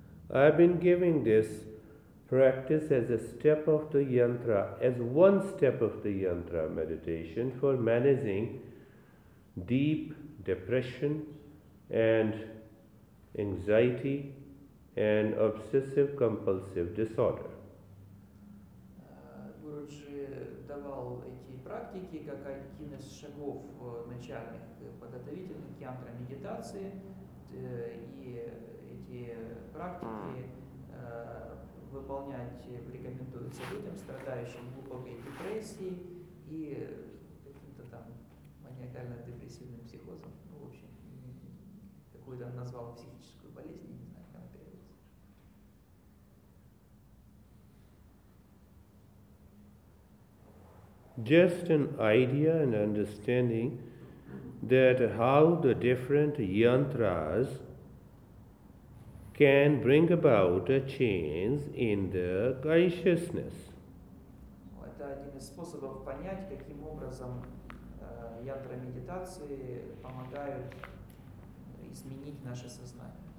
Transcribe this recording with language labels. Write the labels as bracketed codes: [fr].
[en] I've been giving this practice as a step of the yantra, as one step of the yantra meditation for managing deep depression and anxiety and obsessive compulsive disorder. [ru] Гуруджи давал эти практики как один из шагов начальных подготовительных к yantra медитации, и эти практики выполнять рекомендуется людям, страдающим глубокой депрессией и каким-то там маниакально-депрессивным психозом, ну, в общем, какую-то назвал психическую болезнь, не знаю, как она переводится. [en] just an idea and understanding that how the different yantras can bring about a change in the consciousness. [ru] Это один из способов понять, каким образом янтра медитации помогают изменить наше сознание.